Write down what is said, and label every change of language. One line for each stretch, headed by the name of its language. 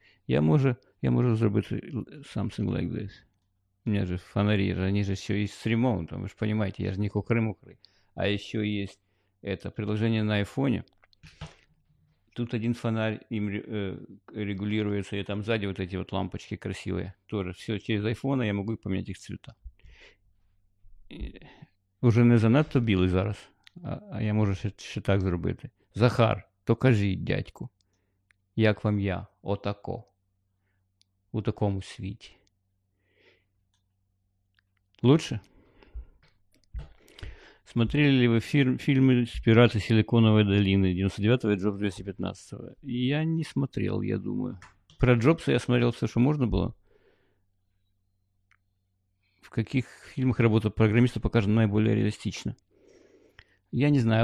Ukrainian: Я можу зробити
English: something like this.
Russian: У меня же фонари, они же еще и с ремонтом, вы же понимаете, я же не кукры-мукры. А еще есть это приложение на айфоне. Тут один фонарь им регулируется, и там сзади вот эти вот лампочки красивые. Тоже все через айфона, я могу поменять их цвета.
Ukrainian: И уже не занадто білий зараз, а я можу ще так зробити. Захар, то кажи, дядьку, як вам я, отако, у такому світі.
Russian: Лучше? Смотрели ли вы фильмы «Пираты Силиконовой долины» 99-го и «Джобс 215-го»? Я не смотрел, я думаю. Про Джобса я смотрел все, что можно было. В каких фильмах работа программиста показана наиболее реалистично? Я не знаю.